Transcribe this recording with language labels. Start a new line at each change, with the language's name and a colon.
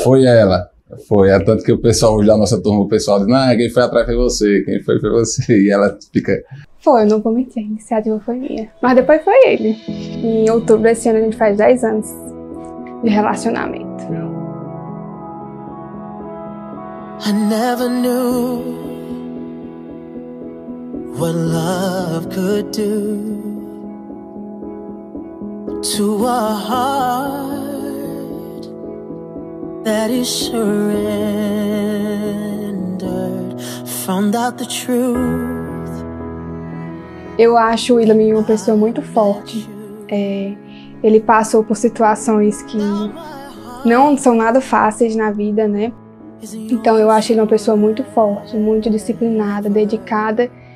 Portuguese: Foi ela. Foi. É tanto que o pessoal da nossa turma, o pessoal diz, não, quem foi atrás foi você. Quem foi você. E ela fica. Foi, eu não vou mentir, a iniciativa foi minha. Mas depois foi ele. Em outubro desse ano a gente faz 10 anos de relacionamento.
English: I never knew what love could do to a heart that is surrendered, found out the truth.
Portuguese: Eu acho o William uma pessoa muito forte. Ele passou por situações que não são nada fáceis na vida, né? Então eu acho ele uma pessoa muito forte, muito disciplinada, dedicada.